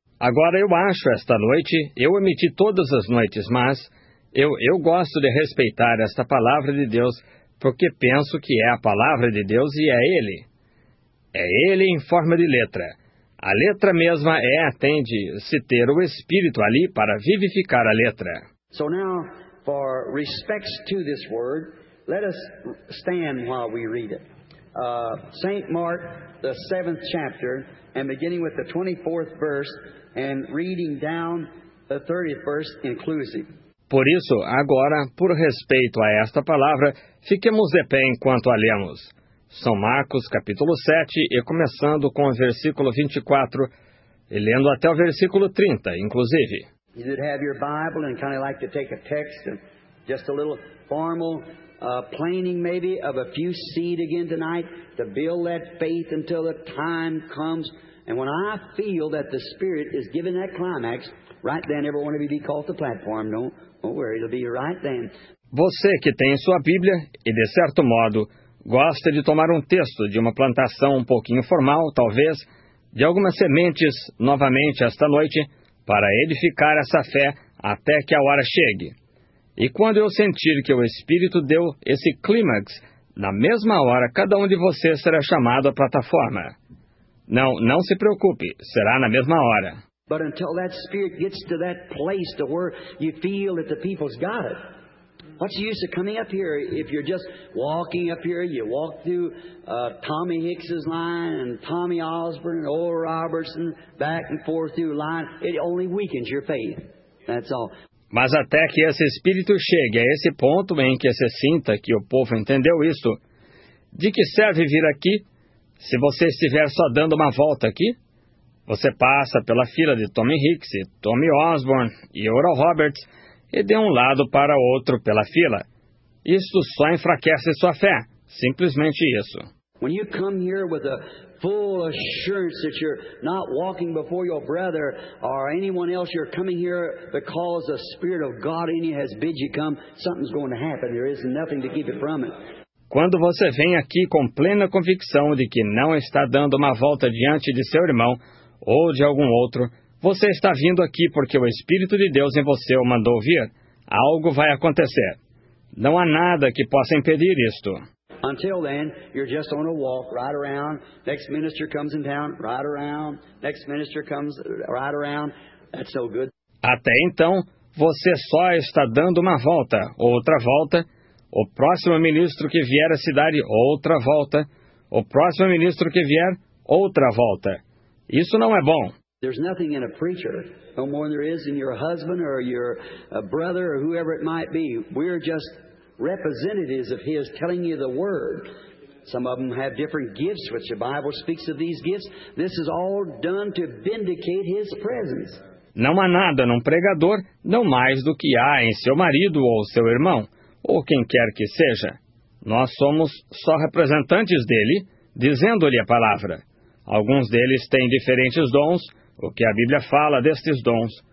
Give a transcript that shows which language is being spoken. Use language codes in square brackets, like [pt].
[pt] Agora eu acho esta noite, eu emiti todas as noites, mas eu gosto de respeitar esta palavra de Deus, porque penso que é a palavra de Deus e é Ele. É Ele em forma de letra. A letra mesma é, tem de se ter o Espírito ali para vivificar a letra. [en] So now, for respects to this word, let us stand while we read it. St. Mark, the 7th chapter, and beginning with the 24th verse, and reading down the 30th verse inclusive. [pt] Por isso, agora, por respeito a esta palavra, fiquemos de pé enquanto a lemos. São Marcos, capítulo 7, e começando com o versículo 24, e lendo até o versículo 30, inclusive. [en] You would have your Bible and kind of like to take a text and just a little formal planning maybe of a few seed again tonight to build that faith until the time comes. And when I feel that the Spirit is giving that climax, right then, every one of you be called to platform. Don't worry, it'll be right then. [pt] Você que tem sua Bíblia, e de certo modo, gosta de tomar um texto de uma plantação um pouquinho formal, talvez, de algumas sementes, novamente esta noite, para edificar essa fé até que a hora chegue. E quando eu sentir que o Espírito deu esse clímax, na mesma hora cada um de vocês será chamado à plataforma. Não se preocupe, será na mesma hora. [en] But until that Spirit gets to that place to where you feel that the people's got it. What's the use of coming up here if you're just walking up here? You walk through Tommy Hicks's line and Tommy Osborne and Oral Robertson back and forth through line. It only weakens your faith. That's all. [pt] Mas até que esse Espírito chegue a esse ponto em que se sinta que o povo entendeu isto, de que serve vir aqui se você estiver só dando uma volta aqui? Você passa pela fila de Tommy Hicks e Tommy Osborne e Oral Roberts e de um lado para outro pela fila. Isto só enfraquece sua fé. Simplesmente isso. [en] When you come here with a full assurance that you're not walking before your brother or anyone else, you're coming here because the Spirit of God in you has bid you come, something's going to happen. There is nothing to keep it from it. [pt] Quando você vem aqui com plena convicção de que não está dando uma volta diante de seu irmão ou de algum outro, você está vindo aqui porque o Espírito de Deus em você o mandou vir. Algo vai acontecer. Não há nada que possa impedir isto. [en] Until then, you're just on a walk, right around. Next minister comes in town, right around. Next minister comes right around. That's no good. [pt] Até então, você só está dando uma volta, outra volta. O próximo ministro que vier à cidade, outra volta. O próximo ministro que vier, outra volta. Isso não é bom. [en] There's nothing in a preacher, no more than there is in your husband or your brother or whoever it might be. We're just representatives of His telling you the Word. Some of them have different gifts, which the Bible speaks of these gifts. This is all done to vindicate His presence. [pt] Não há nada num pregador, não mais do que há em seu marido ou seu irmão, ou quem quer que seja. Nós somos só representantes dEle, dizendo-lhe a palavra. Alguns deles têm diferentes dons, o que a Bíblia fala destes dons.